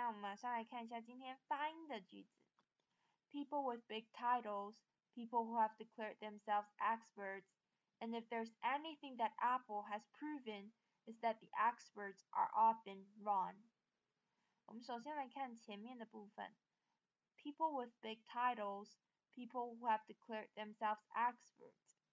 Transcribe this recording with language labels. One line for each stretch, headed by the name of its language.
Chinese: 马上来看一下今天发音的句子。
English: People with big titles, people who have declared themselves experts, and if there's anything that Apple has proven, is that the experts are often wrong.
Chinese: 我们首先来看前面的部分。
English: People with big titles, people who have declared themselves experts.